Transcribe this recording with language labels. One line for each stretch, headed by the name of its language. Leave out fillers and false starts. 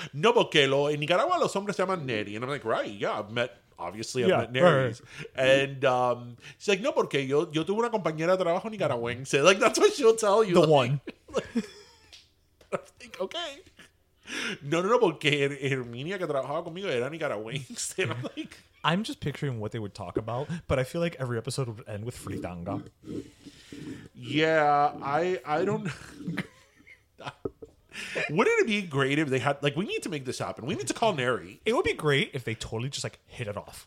Spanish: No, porque en Nicaragua los hombres se llaman Neri.
English: And I'm like, right, yeah, I've met Neri. Right. And she's like,
Spanish: no, porque yo tuve una compañera de trabajo nicaragüense.
English: Like, that's what she'll tell you. The like, one. Like, I think, okay.
Spanish: No, porque Herminia que trabajaba conmigo era nicaragüense.
English: And I'm like, I'm just picturing what they would talk about, but I feel like every episode would end with fritanga. Yeah, I don't. Wouldn't it be great if they had, like, we need to make this happen. We need to call Neri. It would be great if they totally just, like, hit it off.